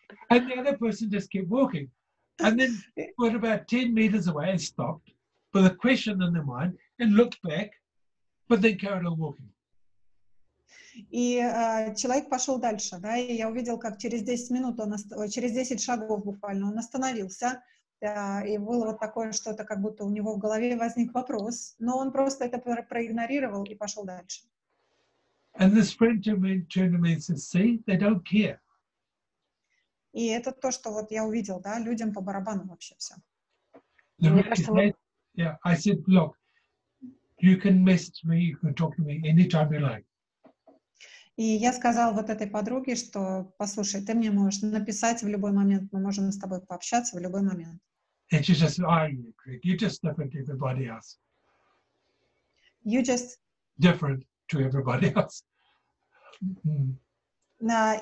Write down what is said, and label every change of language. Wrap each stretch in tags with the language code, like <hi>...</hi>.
<en>And the other person just kept walking. And then went about 10 meters away and stopped, put a question in their mind, and looked back, but then carried on walking.</en> <ru>И человек пошел дальше, да, и я увидел, как через 10 минут, через 10 шагов буквально он остановился, да, и было вот такое что-то, как будто у него в голове возник вопрос, но он просто это проигнорировал и пошел дальше.</ru> <en>And this friend turned to me and said, "See, they don't care."</en> <ru>И это то, что вот я увидел, да, людям по барабану вообще все.</ru> <en>I said, "Look, you can message me, you can talk to me anytime you like."</en> <ru>И я сказал вот этой подруге, что, послушай, ты мне можешь написать в любой момент, мы можем с тобой пообщаться в любой момент.</ru> <en>And she just, "Are you, Craig? You're just different to everybody else." You just... Different to everybody else. Mm-hmm.</en>